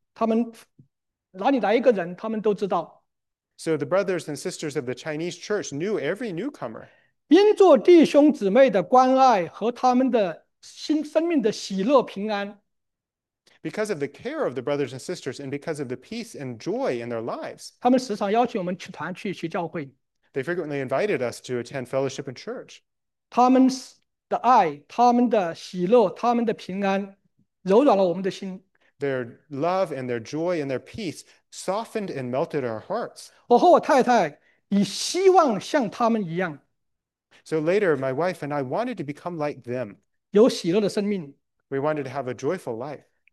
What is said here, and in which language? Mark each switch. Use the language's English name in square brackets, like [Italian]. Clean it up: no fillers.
[Chinese] 华人的教会的弟兄姊妹,他们哪里来一个人,他们都知道。 [English] So the brothers and sisters of the Chinese church knew every newcomer. [Chinese] 因着弟兄姊妹的关爱和他们的生命的喜乐平安, [English] because of the care of the brothers and sisters and because of the peace and joy in their lives, [Chinese] 他们时常邀请我们去团去教会, [English] they frequently invited us to attend fellowship in church. [Chinese] 他们的爱,他们的喜乐,他们的平安,柔软了我们的心。 [English] Their love and their joy and their peace softened and melted our hearts. [Chinese] 我和我太太以希望像他们一样。 [English] So later, my wife and I wanted to become like them. [Chinese] 有喜乐的生命。 [English] We wanted to have a joyful life.